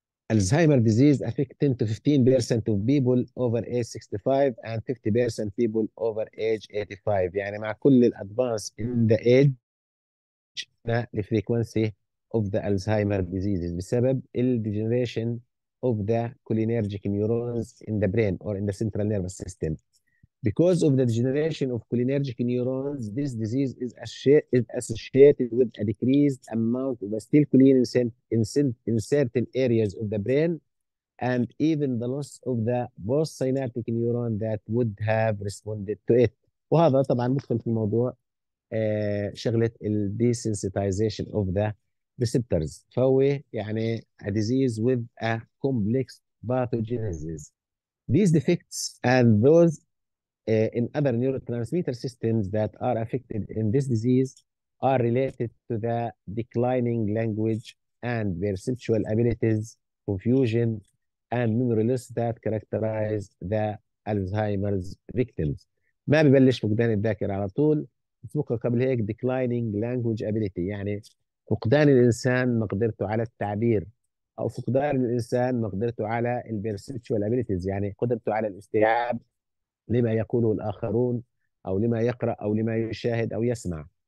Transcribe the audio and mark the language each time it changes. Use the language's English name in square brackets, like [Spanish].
[English] Alzheimer disease affect 10 to 15% of people over age 65 and 50% people over age 85، [Arabic] يعني مع كل [English] الادفانس in the age الفريكونسي of the Alzheimer disease بسبب الديجنريشن of the cholinergic neurons in the brain or in the central nervous system. Because of the degeneration of cholinergic neurons, this disease is associated with a decreased amount of acetylcholine in certain areas of the brain and even the loss of the both synaptic neurons that would have responded to it. [Arabic] وهذا طبعا مدخل في الموضوع شغلة ال [English] desensitization of the receptors. [Arabic] فهو يعني [English] a disease with a complex pathogenesis. These defects and those in other neurotransmitter systems that are affected in this disease are related to the declining language and perceptual abilities, confusion, and memory loss that characterize the Alzheimer's victims. [Arabic] ما ببلش فقدان الذاكرة على طول، بتوقع قبل هيك [English] declining language ability، [Arabic] يعني فقدان الإنسان مقدرته على التعبير، أو فقدان الإنسان مقدرته على perceptual abilities، يعني قدرته على الاستيعاب لما يقوله الآخرون أو لما يقرأ أو لما يشاهد أو يسمع.